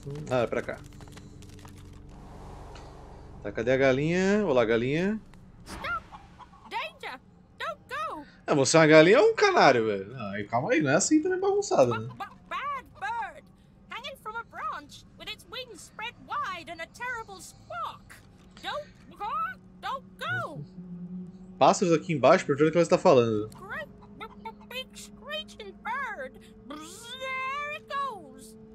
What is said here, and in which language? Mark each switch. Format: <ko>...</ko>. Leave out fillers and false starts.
<pt>Ah, é pra cá. Tá, cadê a galinha? Olá, galinha. Não, você é uma galinha ou um canário, velho? Calma aí, não é assim também bagunçado, né?</pt> <en>Bad bird, hanging from a branch, with its wings spread wide and a terrible squawk. Don't walk, don't go.</en> <pt>Pássaros aqui embaixo, perguntando o que você está falando.</pt> <en>Big screeching bird, there it goes.</en>